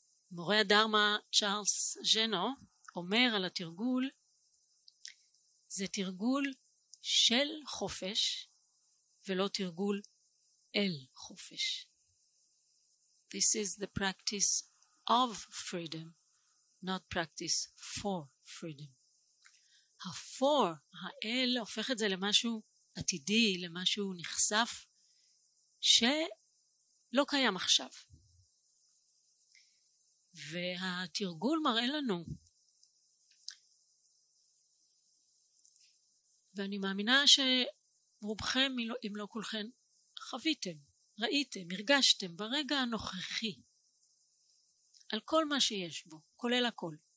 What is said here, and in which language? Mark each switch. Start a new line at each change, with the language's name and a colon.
Hebrew: מורה הדרמה צ'רלס ז'נו אומר על התרגול, זה תרגול של חופש ולא תרגול אל חופש.
English: This is the practice of freedom, not practice for freedom.
Hebrew: ה-for, האל, הופך את זה למשהו עתידי, למשהו נחשף, שלא קיים עכשיו. והתרגול מראה לנו, ואני מאמינה שרובכם, אם לא כולכם, חוויתם, ראיתם, הרגשתם ברגע הנוכחי, על כל מה שיש בו, כולל הכל.